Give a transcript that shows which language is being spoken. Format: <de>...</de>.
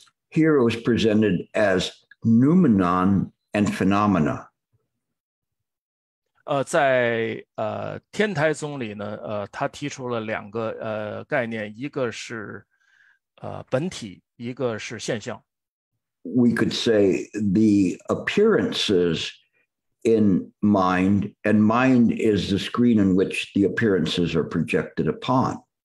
<en>Here it was presented as noumenon and phenomena.</en> <zh>在天台宗里呢，他提出了两个概念，一个是本体，一个是现象。</zh> <en>We could say the appearances in mind, and mind is the screen in which the appearances are projected upon.</en>